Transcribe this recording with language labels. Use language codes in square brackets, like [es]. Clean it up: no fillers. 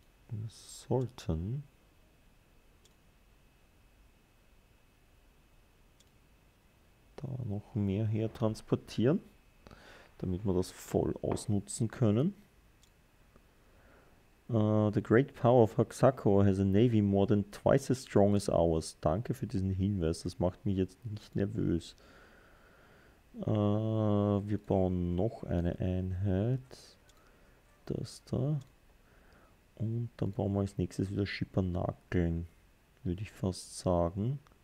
[de] Wir sollten. Da noch mehr her transportieren, damit wir das voll ausnutzen können. [en] The great power of Haxaco has a navy more than twice as strong as ours. [de] Danke für diesen Hinweis, das macht mich jetzt nicht nervös. Wir bauen noch eine Einheit. Das da. Und dann bauen wir als nächstes wieder Schippernackeln, würde ich fast sagen.